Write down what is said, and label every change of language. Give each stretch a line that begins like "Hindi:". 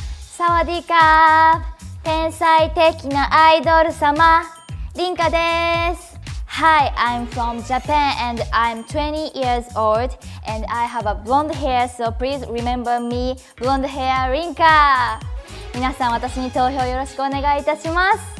Japanese: サワディカー、天才的なアイドル様、リンカです。
English: Hi, I'm from Japan and I'm 20 years old and I have a blonde hair, so please remember me, blonde hair Rinka.
Japanese: 皆さん、私に投票よろしくお願いいたします。